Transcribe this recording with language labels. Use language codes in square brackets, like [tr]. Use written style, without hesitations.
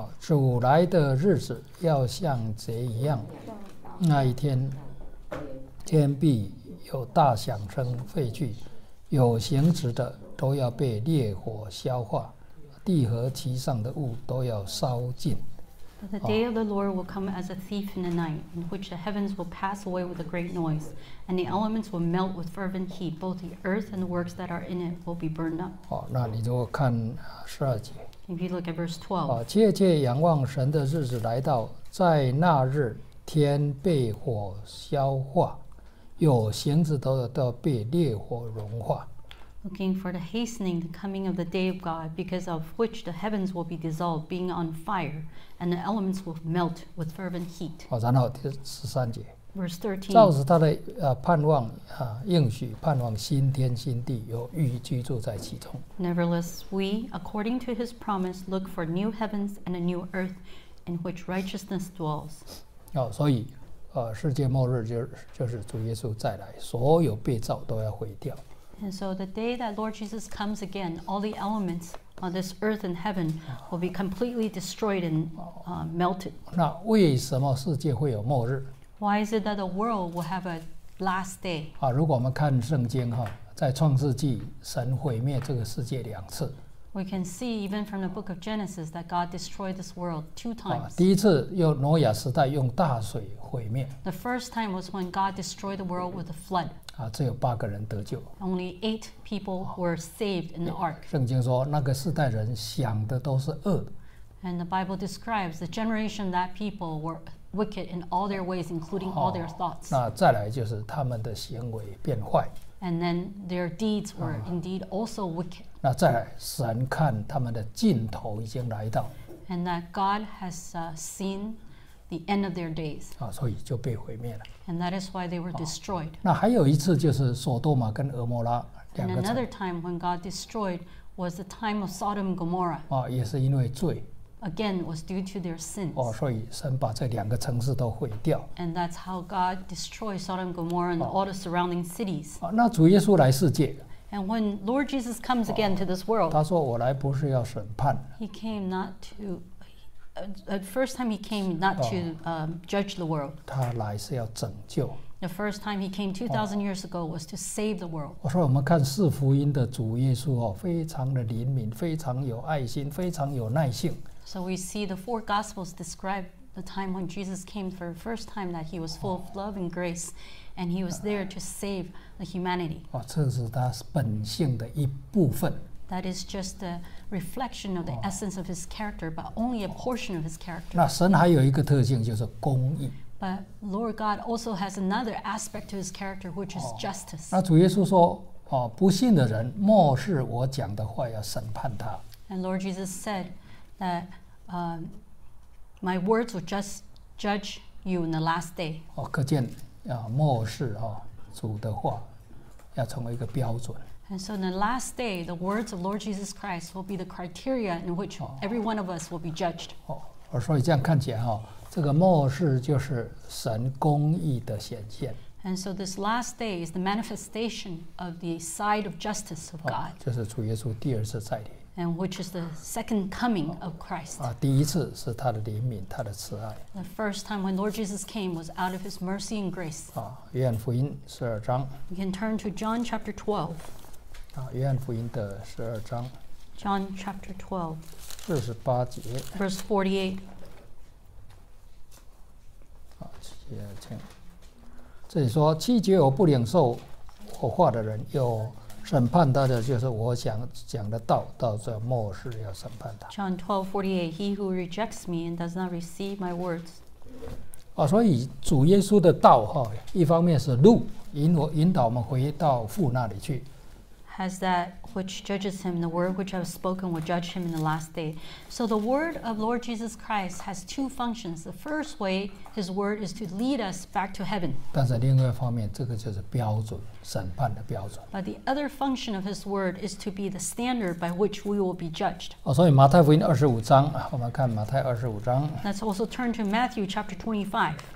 [zh] 主来的日子要像贼一样，那一天天必有大响声废去，有形质的都要被烈火消化。地和其上的物都要烧尽。 [en] The day of the Lord will come as a thief in the night, in which the heavens will pass away with a great noise, and the elements will melt with fervent heat. Both the earth and the works that are in it will be burned up. [zh] 那你如果看十二节。 [en] If you look at verse 12. [zh] 切切仰望神的日子来到，在那日天被火消化，有形质的都要被烈火融化。 [en] Looking for the hastening the coming of the day of God, because of which the heavens will be dissolved, being on fire, and the elements will melt with fervent heat. [zh] 然后第十三节。 [en] Verse 13. [zh] 照着他的盼望应许，盼望新天新地，有预居住在其中。 [en] Nevertheless, we, according to his promise, look for new heavens and a new earth, in which righteousness dwells. [zh] 所以世界末日就是主耶稣再来，所有被造都要毁掉。 [en] And so the day that Lord Jesus comes again, all the elements on this earth and heaven will be completely destroyed and melted. [zh] 那为什么世界会有末日？ [en] Why is it that the world will have a last day? [zh] 如果我们看圣经，在创世纪神毁灭这个世界两次。 [en] We can see even from the book of Genesis that God destroyed this world two times. [zh] 第一次用挪亚时代用大水毁灭。 [en] The first time was when God destroyed the world with a flood. [zh] 啊，只有八个人得救。 [en] Only eight people were saved in the ark. [zh] 圣经说那个世代人想的都是恶。 [en] And the Bible describes the generation that people were wicked in all their ways, including all their thoughts. [zh] 那再来就是他们的行为变坏。 [en] And then their deeds were indeed also wicked. [zh] 那再来，神看他们的尽头已经来到。 [en] And that God has seen the end of their days. [zh] 啊，所以就被毁灭了。 [en] And that is why they were destroyed. [zh] 那还有一次就是索多玛跟俄摩拉两个。 [en] And another time when God destroyed was the time of Sodom and Gomorrah. [zh] 啊，也是因为罪。 [en] Again, was due to their sins. [zh] 哦，所以神把这两个城市都毁掉。 [en] And that's how God destroyed Sodom and Gomorrah and all the surrounding cities. [zh] 哦，那主耶稣来世界。 [en] And when Lord Jesus comes again to this world, [zh] 他说我来不是要审判。 [en] He came not to, the first time he came not to judge the world. [zh] 他来是要拯救。 [en] The first time he came 2,000 years ago was to save the world. [zh] 我说我们看四福音的主耶稣哦，非常的怜悯，非常有爱心，非常有耐性。 [en] So we see the four Gospels describe the time when Jesus came for the first time that he was full of love and grace and he was there to save the humanity. [zh] 哦，这是他本性的一部分。 [en] That is just a reflection of the essence of his character, but only a portion of his character. [zh] 那神还有一个特性就是公义。 [en] But Lord God also has another aspect to his character, which is justice. [zh] 那主耶稣说，哦，不信的人漠视我讲的话要审判他。 [en] And Lord Jesus said,that my words will just judge you in the last day. [zh] 哦，可见啊，末世啊，主的话要成为一个标准。 [en] And so in the last day, the words of Lord Jesus Christ will be the criteria in which every one of us will be judged. [zh] 哦，所以这样看起来哈，这个末世就是神公义的显现。 [en] And so this last day is the manifestation of the side of justice of God. [zh] 就是主耶稣第二次再临。 [en] And which is the second coming of Christ. [zh] 啊，第一次是他的怜悯，他的慈爱。 [en] The first time when Lord Jesus came was out of his mercy and grace. [zh] 啊，约翰福音十二章。 [en] You can turn to John chapter 12. [zh] 啊，约翰福音的十二章。 [en] John chapter 12. [zh] 四十八节。 [en] Verse 48. [zh] 啊，请请。这里说，七节我不领受我话的人有。审判他的就是我想讲的道，到这末世要审判他。 [en] John 12:48, he who rejects me and does not receive my words. [zh] 啊，所以主耶稣的道哈，一方面是路，引导我们回到父那里去。 [en] Has that which judges him, the word which I have spoken will judge him in the last day. So the word of Lord Jesus Christ has two functions. The first way, his word is to lead us back to heaven. [zh] 但是另外一方面，这个就是标准，审判的标准。 [en] But the other function of his word is to be the standard by which we will be judged. [zh] 所以马太福音二十五章，我们看马太二十五章。 [en] Let's also turn to Matthew chapter 25.